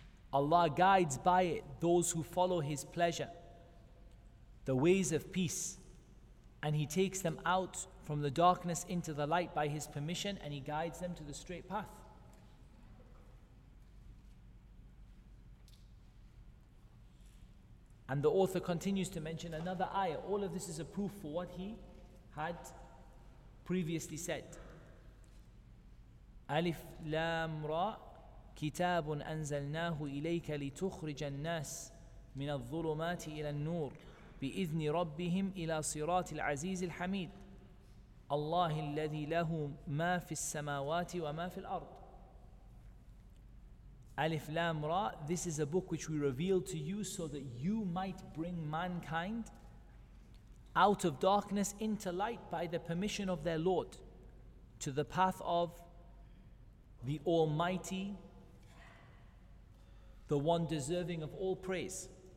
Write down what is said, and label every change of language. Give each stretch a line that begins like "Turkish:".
English: Allah guides by it those who follow His pleasure, the ways of peace, and He takes them out from the darkness into the light by His permission, and He guides them to the straight path. And the author continues to mention another ayah. All of this is a proof for what he had previously said.
Arabic: Alif Lam Ra. كتاب أنزلناه إليك لتخرج الناس من الظلمات إلى النور بإذن ربهم إلى صراط العزيز الحميد الله الذي له ما في السماوات وما في الأرض. ألف لام راء.
English: This is a book which we reveal to you so that you might bring mankind out of darkness into light by the permission of their Lord to the path of the Almighty, the one deserving of all praise.